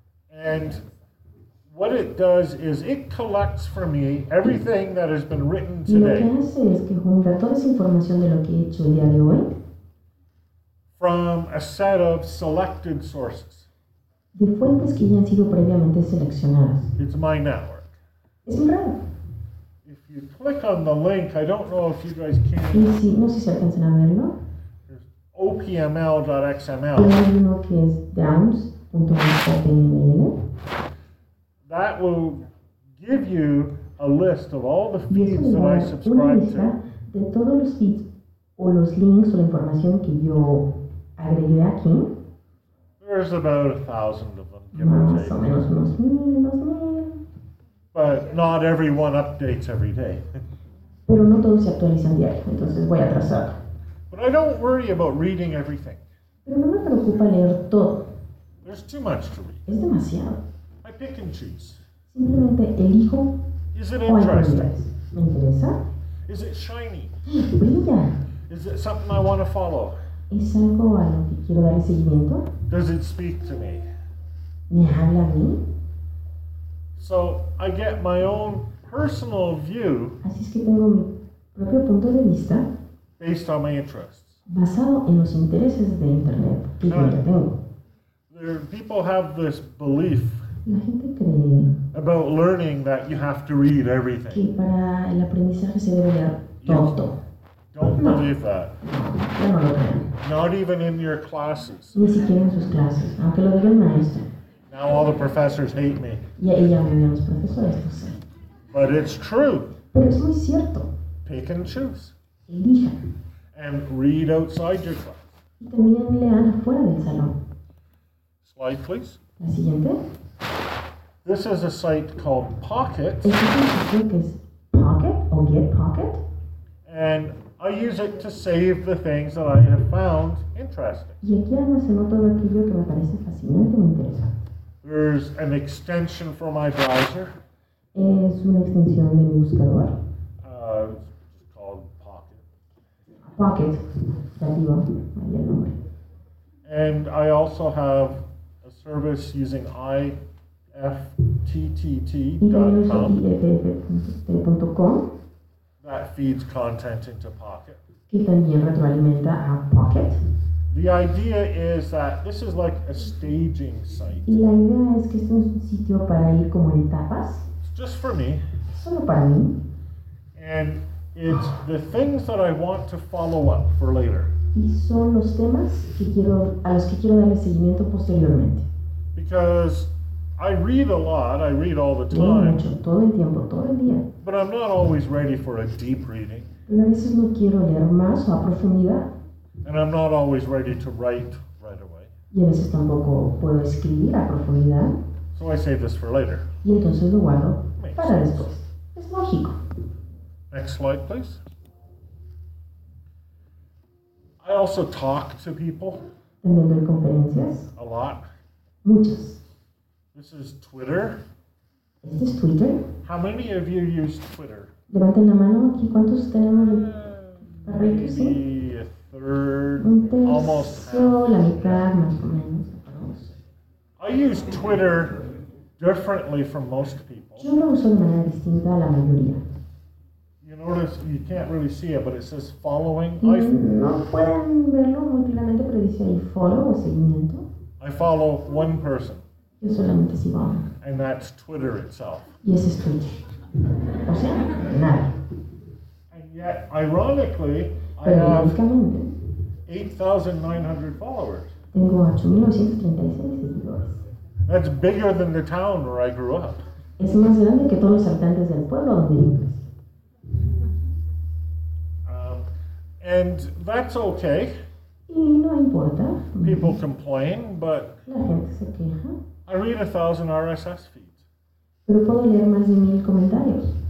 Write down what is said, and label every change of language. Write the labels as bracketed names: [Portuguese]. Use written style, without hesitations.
[English] And what it does is it collects for me everything that has been written today. [Spanish] Lo que hace es que junta toda esa información de lo que he hecho el día de hoy. [English] From a set of selected sources. [Spanish] De fuentes que ya han sido previamente seleccionadas. [English] It's my network. [Spanish] Es mi red. [English] If you click on the link, I don't know if you guys can. [Spanish] Y si, no sé si alcanzan a verlo. [English] There's opml.xml. [Spanish] Y hay uno que es downs.html. [English] That will give you a list of all the feeds that I subscribe to. [Spanish] De todos los feeds o los links o la información que yo agregué aquí. [English] There's about 1,000 of them, give or take. [Spanish] Más o menos unos mil. [English] But not everyone updates every day. [Spanish] Pero no todos se actualizan diario, entonces voy atrasado. [English] But I don't worry about reading everything. [Spanish] Pero no me preocupa leer todo. [English] There's too much to read. [Spanish] Es demasiado. [English] Pick and choose. [Spanish] Simplemente elijo. [English] Is it interesting? [Spanish] ¿Me interesa? [English] Is it shiny? [Spanish] Brilla. [English] Is it something I want to follow? [Spanish] ¿Es algo a lo que quiero dar seguimiento? [English] Does it speak to me? [Spanish] ¿Me habla a mí? [English] So I get my own personal view. [Spanish] Así es que tengo mi propio punto de vista. [English] Based on my interests. [Spanish] Basado en los intereses de internet que yo tengo. [English] There, people have this belief. [Spanish] La gente cree [English] about learning that you have to read everything. [Spanish] Que para el aprendizaje se debe leer todo. [English] Don't [Spanish] no. [English] believe that. [Spanish] Yo no lo creo. [English] Not even in your classes. [Spanish] Ni siquiera en sus clases, aunque lo diga el maestro. [English] Now all the professors hate me. [Spanish] Y ahí ya me odian los profesores, no sé. [English] But it's true. [Spanish] Pero es muy cierto. [English] Pick and choose. [Spanish] Elija. [English] And read outside your class. [Spanish] Y también lean afuera del salón. [English] Slide, please. [Spanish] La siguiente. [English] This is a site called Pocket. [Spanish] Es un sitio que es Pocket o Get Pocket. [English] And I use it to save the things that I have found interesting. [Spanish] Y aquí además anoto aquello que me parece fascinante o interesante. [English] There's an extension for my browser. [Spanish] Es una extensión de mi buscador. [English] It's called Pocket. [Spanish] Pocket. Ya digo, ahí el nombre. [English] And I also have a service using ifttt.com that feeds content into Pocket. [Spanish] Que también retroalimenta a Pocket. [English] The idea is that this is like a staging site. [Spanish] Y la idea es que es un sitio para ir como en etapas. [English] It's just for me. [Spanish] Solo para mí. [English] And it's the things that I want to follow up for later. [Spanish] Y son los temas que quiero, a los que quiero darle seguimiento posteriormente. [English] Because I read a lot, I read all the time. [Spanish] Leo mucho, todo el tiempo, todo el día. [English] But I'm not always ready for a deep reading. [Spanish] Pero a veces no quiero leer más o a profundidad. [English] And I'm not always ready to write right away. [Spanish] Y a veces tampoco puedo escribir a profundidad. [English] So I save this for later. [Spanish] Y entonces lo guardo para después. Es lógico. [English] Next slide, please. I also talk to people. [Spanish] También doy conferencias. [English] A lot. [Spanish] Muchas. [English] This is Twitter. [Spanish] ¿Este es Twitter? [English] How many of you use Twitter? [Spanish] Levanten la mano aquí. ¿Cuántos tenemos? [English] Maybe a third, [Spanish] un tercio, [English] almost half. [Spanish] La mitad, más o menos. [English] I use Twitter differently from most people. [Spanish] Yo lo uso de manera distinta a la mayoría. [English] You notice, you can't really see it, but it says following. [Spanish] No pueden verlo muy claramente, pero dice ahí follow o seguimiento. [English] I follow one person. [Spanish] Yo solamente sigo a uno. [English] And that's Twitter itself. [Spanish] Y ese es Twitter. O sea, nada. [English] And yet, ironically, [Spanish] pero [English] I have 8,900 followers. [Spanish] Tengo 8,936 seguidores. [English] That's bigger than the town where I grew up. [Spanish] Es más grande que todos los habitantes del pueblo donde yo crecí. [English] And that's okay. [Spanish] Y no importa. [English] People complain, but [Spanish] la gente se queja. [English] I read 1,000 RSS feeds. [Spanish] Pero puedo leer más de 1,000 comentarios.